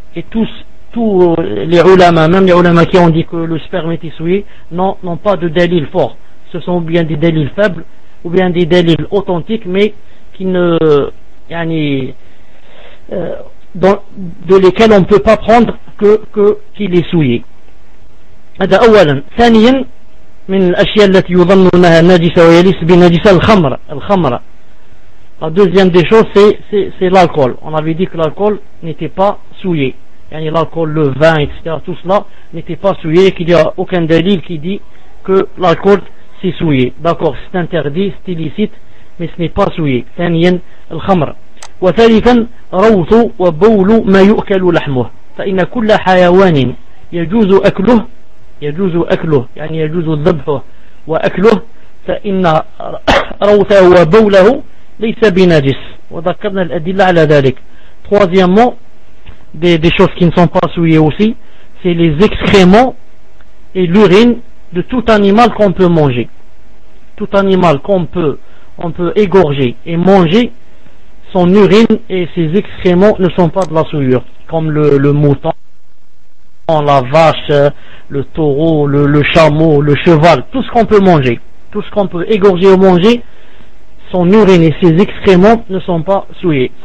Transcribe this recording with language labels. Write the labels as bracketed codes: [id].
[fr] Et tous les ulama, même les ulama qui ont dit que le sperme était souillé, n'ont pas de dalil fort. Ce sont bien des dalils faibles ou bien des dalils authentiques, mais qui ne, yani, de lesquels on ne peut pas prendre que qu'il est souillé. [ar] هذا أولا. ثانيا من الأشياء التي يظن أنها نجسة ويليس بنجسة الخمر. [fr] La deuxième des choses, c'est l'alcool. On avait dit que l'alcool n'était pas souillé. Yani l'alcool, le vin, etc., tout cela n'était pas souillé, et qu'il n'y a aucun dalil qui dit que l'alcool s'est souillé. D'accord, c'est interdit, c'est illicite, mais ce n'est pas souillé. [ar] ثانيًا الخمر. وثالثًا روث وبول ما يؤكل لحمه. فإن كل حيوان يجوز أكله يعني يجوز ذبحه وأكله، فإن روثه وبوله ليس بنجس، وذكرنا الأدلة على ذلك. [fr] Troisièmement, des choses qui ne sont pas souillées aussi, c'est les excréments et l'urine de tout animal qu'on peut manger. Tout animal qu'on peut égorger et manger, son urine et ses excréments ne sont pas de la souillure, comme le mouton, la vache, le taureau, le chameau, le cheval, tout ce qu'on peut manger, tout ce qu'on peut égorger ou manger, son urine et ses excréments ne sont pas souillés.